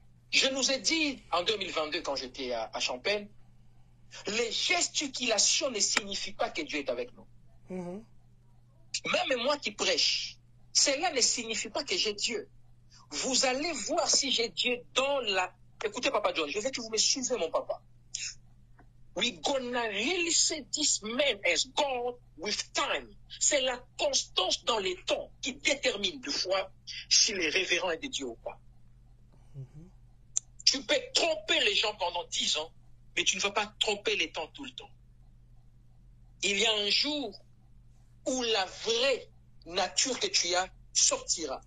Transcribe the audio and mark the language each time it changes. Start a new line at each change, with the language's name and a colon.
French: Je nous ai dit en 2022, quand j'étais à Champagne, les gesticulations ne signifient pas que Dieu est avec nous. Même moi qui prêche, cela ne signifie pas que j'ai Dieu. Vous allez voir si j'ai Dieu dans la... Écoutez, Papa John, je veux que vous me suivez, mon papa.
English: We're gonna really see this man as God with time.
French: C'est la constance dans les temps qui détermine du fois si le révérend est de Dieu ou pas. Tu peux tromper les gens pendant 10 ans, mais tu ne vas pas tromper les temps tout le temps. Il y a un jour où la vraie nature que tu as sortira.